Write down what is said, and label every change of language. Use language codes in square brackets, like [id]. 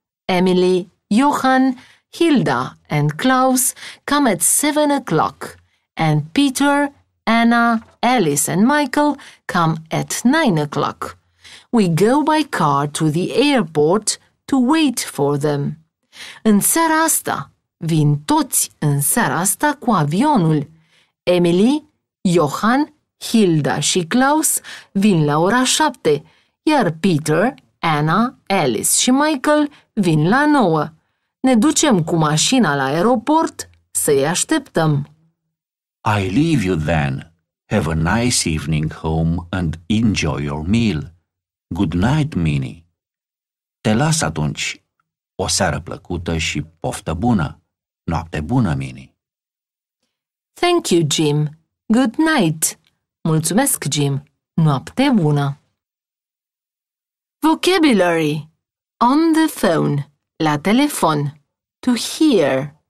[en] Emily, Johan, Hilda and Klaus come at 7 o'clock. And Peter, Anna, Alice and Michael come at 9 o'clock. We go by car to the airport to wait for them. [ro] În seara asta, vin toți în seara asta cu avionul. Emily, Johan, Hilda și Klaus vin la ora 7, iar Peter, Anna, Alice și Michael vin la 9. Ne ducem cu mașina la aeroport să-i așteptăm. [en] I leave you then. Have a nice evening home and enjoy your meal. Good night, Minnie. [ro] Te las atunci. O seară plăcută și poftă bună. Noapte bună, Minnie. [en] Thank you, Jim. Good night. [ro] Mulțumesc, Jim. Noapte bună. [en] Vocabulary. On the phone. [ro] La telefon. [en] To hear.